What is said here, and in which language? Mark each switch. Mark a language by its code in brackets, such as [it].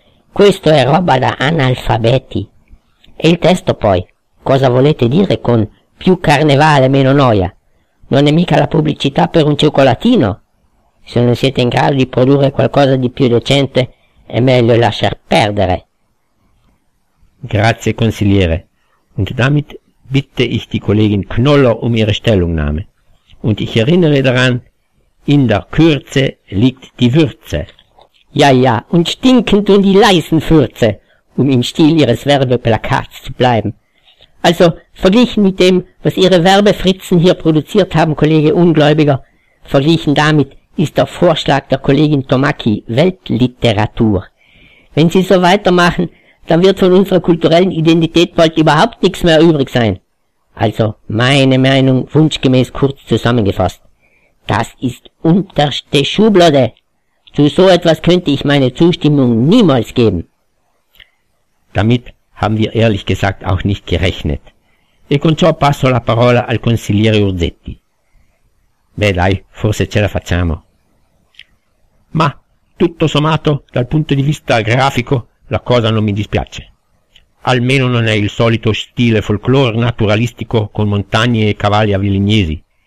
[it] Questo è roba da analfabeti. E il testo poi? Cosa volete dire con più carnevale, meno noia? Non è mica la pubblicità per un cioccolatino? Se non siete in grado di produrre qualcosa di più decente, è meglio lasciar perdere. Grazie, consigliere. [de] Und damit bitte ich die Kollegin Knoller ihre Stellungnahme. Und ich erinnere daran, in der Kürze liegt die Würze. Ja, und stinkend und die leisen Fürze, im Stil ihres Werbeplakats zu bleiben. Also, verglichen mit dem, was Ihre Werbefritzen hier produziert haben, Kollege Ungläubiger, verglichen damit ist der Vorschlag der Kollegin Tomacki Weltliteratur. Wenn Sie so weitermachen, dann wird von unserer kulturellen Identität bald überhaupt nichts mehr übrig sein. Also, meine Meinung wunschgemäß kurz zusammengefasst. Das ist unterste Schublade. Zu so etwas könnte ich meine Zustimmung niemals geben. Damit haben wir ehrlich gesagt auch nicht gerechnet. [it] E con ciò passo la parola al consigliere Urzetti. Beh dai, forse ce la facciamo. Ma, tutto sommato, dal punto di vista grafico, la cosa non mi dispiace. Almeno non è il solito stile folklore naturalistico con montagne e cavalli avilignesi.